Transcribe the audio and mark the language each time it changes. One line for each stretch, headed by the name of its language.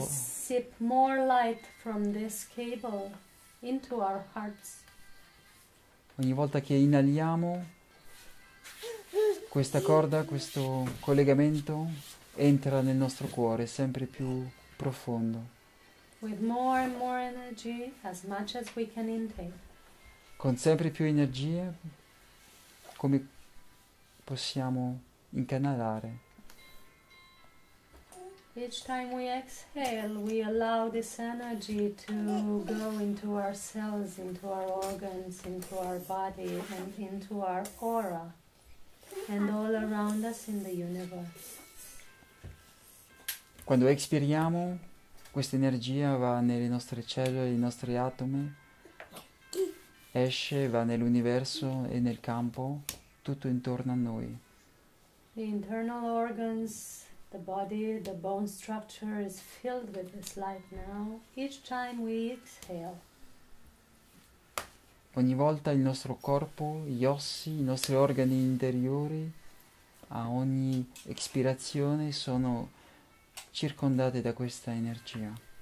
English: sip more light from this cable into our hearts.
Italian: volta che inaliamo, questa corda, questo collegamento entra nel nostro cuore sempre più profondo,
English: With more and more energy, as much as we can intake.
Italian: con sempre più energie, come possiamo incanalare.
English: Each time we exhale, we allow this energy to go into our cells, into our organs, into our body, and into our aura, and all around us in the universe.
Italian: Quando espiriamo, questa energia va nelle nostre cellule, nei nostri atomi, esce, va nell'universo e nel campo, tutto intorno a noi.
English: The internal organs, the body, the bone structure is filled with this light now, each time we exhale.
Italian: Ogni volta il nostro corpo, gli ossi, i nostri organi interiori, a ogni espirazione sono circondate da questa energia.